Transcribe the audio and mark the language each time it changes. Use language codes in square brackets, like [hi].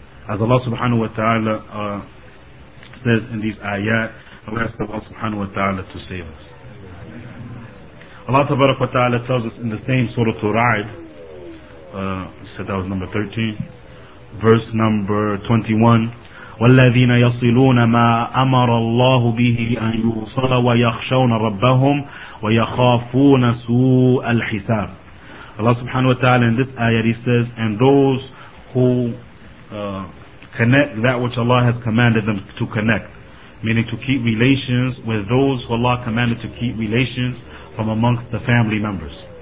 [en] As Allah subhanahu wa ta'ala says in these ayat, we ask Allah subhanahu wa ta'ala to save us. Allah tabarak wa ta'ala tells us in the same Surah Al-Ra'd, he said that was number 13, verse number 21, [ar] والذين يصلون ما أمر الله به أن يوصل ويخشون ربهم ويخافون سوء الحساب. [en] Allah subhanahu wa ta'ala in this ayah he says, and those who connect that which Allah has commanded them to connect, meaning to keep relations with those who Allah commanded to keep relations from amongst the family members.